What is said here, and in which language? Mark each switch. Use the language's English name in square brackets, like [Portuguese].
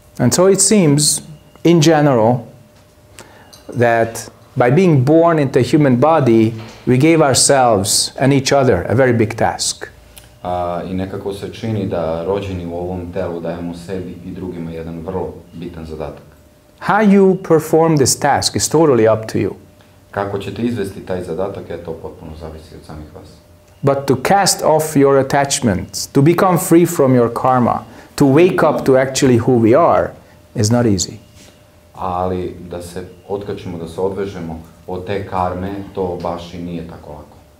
[English] And so it seems, in general, that by being born into a human body, we gave ourselves and each other a very big task. [Serbian] I nekako se čini da rođeni u ovom telu dajemo sebi i drugima jedan vrlo bitan zadatak. [English] How you perform this task is totally up to you. [Serbian] Kako ćete izvesti taj zadatak, je to potpuno zavisi od samih vas. [English] But to cast off your attachments, to become free from your karma, to wake up to actually who we are, is not easy. [Serbian] Ali da se otkačimo, da se odvežemo od te karme, to baš i nije tako lako.